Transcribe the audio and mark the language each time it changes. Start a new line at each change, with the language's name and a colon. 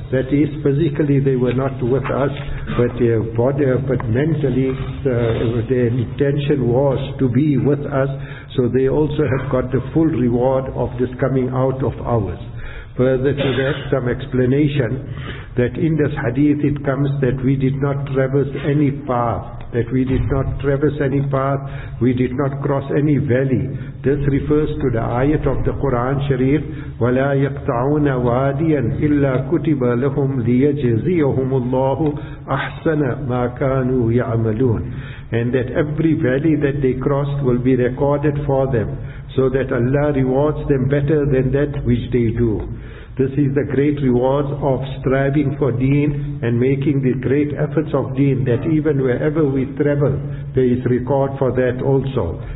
English: That is, physically they were not with us, but their body, but mentally their intention was to be with us, so they also have got the full reward of this coming out of ours. Further to that, some explanation that in this hadith it comes that we did not traverse any path, that we did not traverse any path, we did not cross any valley. This refers to the ayat of the Quran Sharif,
Arabic: وَلَا يَقْطَعُونَ وَادِيًا إِلَّا كُتِبَ لَهُمْ لِيَجْزِيَهُمُ اللَّهُ أَحْسَنَ مَا كَانُوا يَعْمَلُونَ.
English: And that every valley that they crossed will be recorded for them, so that Allah rewards them better than that which they do. This is the great reward of striving for deen and making the great efforts of deen, that even wherever we travel, there is record for that also.